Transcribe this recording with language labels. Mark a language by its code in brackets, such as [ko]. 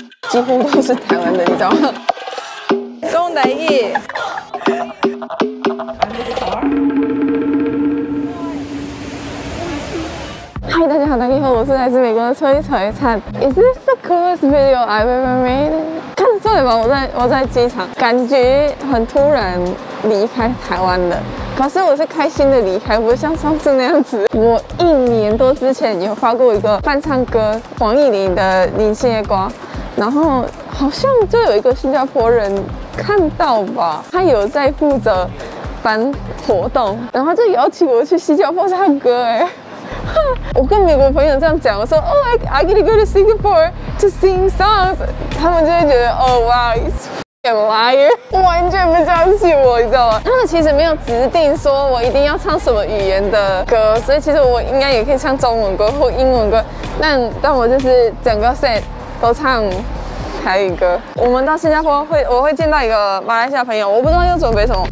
[zh] 几乎都是台湾的，你知道吗？中南艺。嗨，大家好，大家好，我是来自美国的崔璀璨。 [en] Is this the coolest video I've ever made？ [zh] 看得出来吗？我在机场，感觉很突然离开台湾的。可是我是开心的离开，不是像上次那样子。我一年多之前有发过一个伴唱歌，黄义凌的《林心夜光》，然后好像就有一个新加坡人看到吧，他有在负责办活动，然后就邀请我去新加坡唱歌。哎，我跟美国朋友这样讲，我说 [en] Oh, I get to go to Singapore to sing songs， [zh] 他们就会觉得 [en] Oh, wow。 [zh] Liar， 完全不相信我，你知道吗？他们其实没有指定说我一定要唱什么语言的歌，所以其实我应该也可以唱中文歌或英文歌，但我就是整个 set 都唱台语歌。我们到新加坡我会见到一个马来西亚朋友，我不知道要准备什么。